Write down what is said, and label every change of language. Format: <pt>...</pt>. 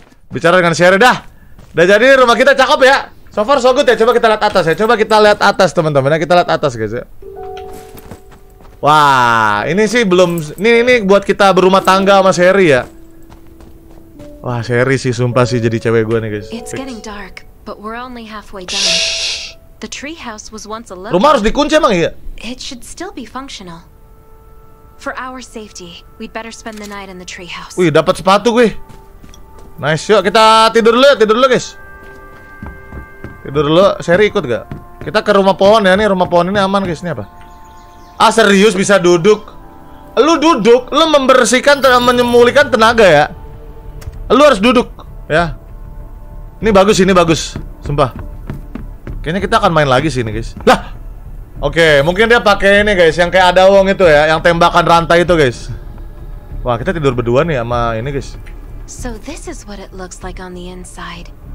<id>Bicara dengan Sherry dah. Udah jadi rumah kita cakep ya.</id> <en>So far so good</en> <id>ya. Coba kita lihat atas, teman-teman. Kita lihat atas, guys ya. Wah, ini sih belum ini buat kita berumah tangga sama Sherry ya. Wah, Sherry sih sumpah sih jadi cewek gue nih, guys.</id> <en>It's getting dark, but we're only halfway done. The treehouse was once a little.</en> <id>Rumah harus dikunci emang ya?</id> <en>It should still be functional. For our safety, we'd better spend the night in the treehouse.</en> <id>Wih, dapat sepatu gue. Nice, yuk kita tidur dulu guys. Tidur dulu, Sherry ikut gak? Kita ke rumah pohon ya, nih rumah pohon ini aman guys, ini apa? Ah serius bisa duduk? Lu duduk, lu membersihkan, menyemulikan tenaga ya. Lu harus duduk, ya. Ini bagus, sumpah. Kayaknya kita akan main lagi sini guys. Lah! Oke, mungkin dia pakai ini guys, yang kayak ada wong itu ya, yang tembakan rantai itu guys. Wah, kita tidur berdua nih sama ini guys.</id> <en>So this is what it looks like on the inside.</en>